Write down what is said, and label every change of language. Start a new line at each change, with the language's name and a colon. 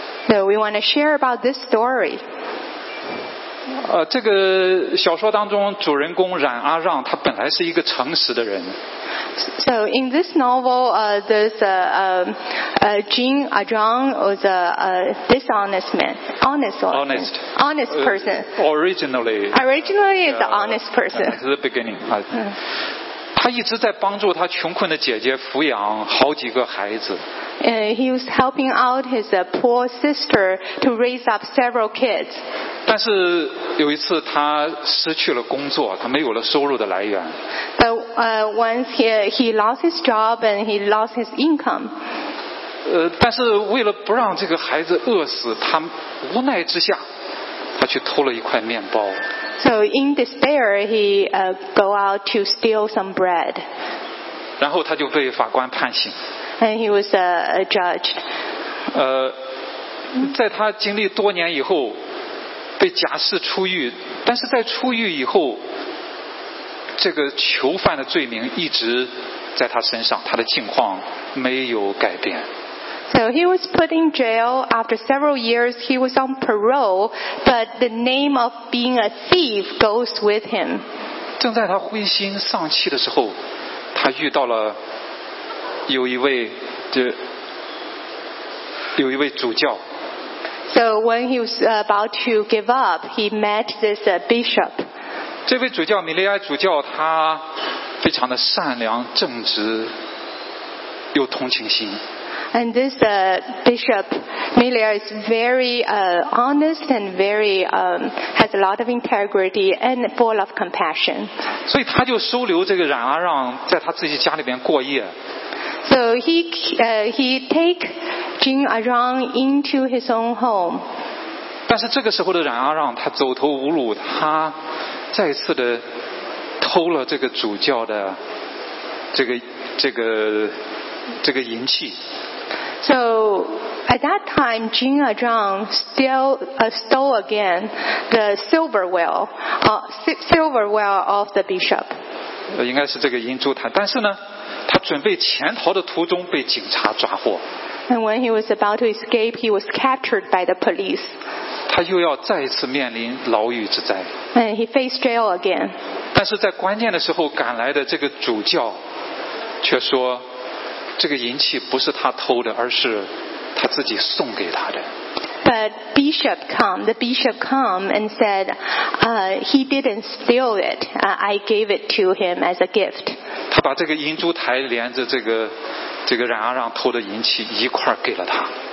English: So we want to share about this story.
Chinese: 这个小说当中主人公冉阿让他本来是一个诚实的人。
English: So in this novel, Jean Ajang was a dishonest man, honest person. Originally is an honest person. At the beginning.
Chinese: 他一直在帮助他穷困的姐姐抚养好几个孩子。
English: He was helping out his poor sister to raise up several kids.
Chinese: 但是有一次他失去了工作，他没有了收入的来源。
English: But once he lost his job and he lost his income.
Chinese: 但是为了不让这个孩子饿死，他无奈之下，他去偷了一块面包。
English: So in despair, he go out to steal some bread.
Chinese: 然后他就被法官判刑。
English: And he was judged.
Chinese: 在他经历多年以后，被假释出狱，但是在出狱以后，这个囚犯的罪名一直在他身上，他的境况没有改变。
English: So he was put in jail. After several years, he was on parole, but the name of being a thief goes with him.
Chinese: 正在他灰心丧气的时候，他遇到了有一位主教。
English: So when he was about to give up, he met this bishop.
Chinese: 这位主教米利埃主教，他非常的善良、正直，有同情心。
English: And this bishop Miller is very honest and very has a lot of integrity and full of compassion.
Chinese: 所以他就收留这个冉阿让在他自己家里边过夜。
English: So he take Jin Arang into his own home.
Chinese: 但是这个时候的冉阿让他走投无路，他再次的偷了这个主教的这个银器。
English: So at that time, Jin Arang stole again the silver well of the bishop.
Chinese: 应该是这个银烛台，但是呢，他准备潜逃的途中被警察抓获。
English: And when he was about to escape, he was captured by the police.
Chinese: 他又要再一次面临牢狱之灾。
English: And he faced jail again.
Chinese: 但是在关键的时候赶来的这个主教却说，这个银器不是他偷的，而是他自己送给他的。
English: But the bishop came and said, he didn't steal it. I gave it to him as a gift.
Chinese: 他把这个银烛台连着这个冉阿让偷的银器一块给了他。